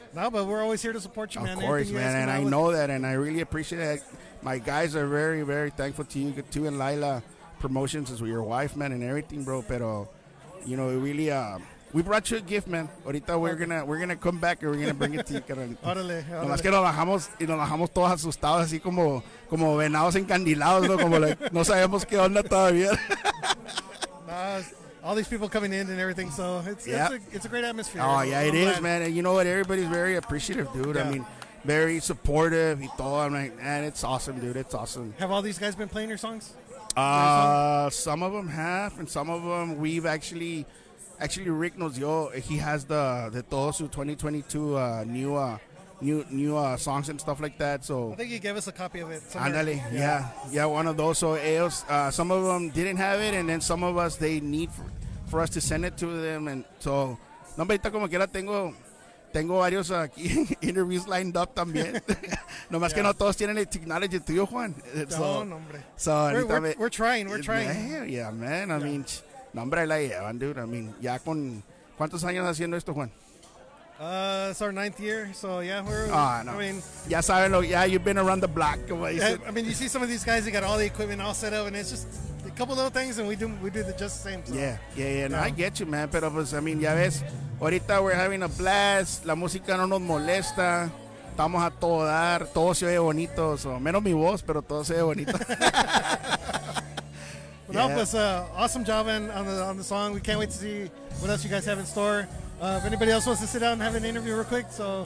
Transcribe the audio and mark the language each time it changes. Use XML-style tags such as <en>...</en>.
<en>No, but we're always here to support you, man. Of course, man. And I know that, and I really appreciate that. My guys are very, very thankful to you, too, and Lila Promotions as well, your wife, man, and everything, bro. Pero, you know, really, we brought you a gift, man.</en> <es>Ahorita</es> <en>we're gonna come back and we're gonna bring it to you, Carlito.</en> <es>Órale. Nomás que nos bajamos todos asustados, así como venados encandilados, ¿no? Como like, no sabemos qué onda todavía.</es> <en>All these people coming in and everything, so it's a great atmosphere. Oh, yeah, it is, man. And you know what? Everybody's very appreciative, dude. Yeah. I mean, very supportive. I'm like, man, it's awesome, dude. It's awesome. Have all these guys been playing your songs? Some of them have, and some of them we've actually Rick knows, yo, he has the Todo Su 2022 new songs and stuff like that. So I think he gave us a copy of it. Andale, yeah, one of those.</en> <es>So ellos,</es> <en>some of them didn't have it, and then some of us they need for us to send it to them. And so,</en> <es>no, ahorita como quiera tengo varios aquí</es> <en>interviews lined up</en> <es>también. No más que no todos tienen la tecnología tuyo, Juan. No, hombre.</es> <en>So we're trying. Man, I mean,</en> <es>nombre la llevan,</es> <en>dude. I mean,</en> <es>ya con cuántos años haciendo esto, Juan.</es> <en>It's our ninth year, so yeah, we're. Oh, no. I mean,</en> <es>ya saben,</es> <en>yeah, you've been around the block. I mean, you see some of these guys, they got all the equipment all set up, and it's just couple little things, and we do the just the same. So. Yeah. No, I get you, man.</en> <es>Pero pues,</es> <en>I mean,</en> <es>ya ves, ahorita</es> <en>we're having a blast.</en> <es>La música no nos molesta. Estamos a todo dar. Todo se oye bonito.</es> <en>So,</en> <es>menos mi voz, pero todo se oye bonito.</es> <en>Well, yeah. That was awesome job on the song. We can't wait to see what else you guys have in store. If anybody else wants to sit down and have an interview real quick, so.</en>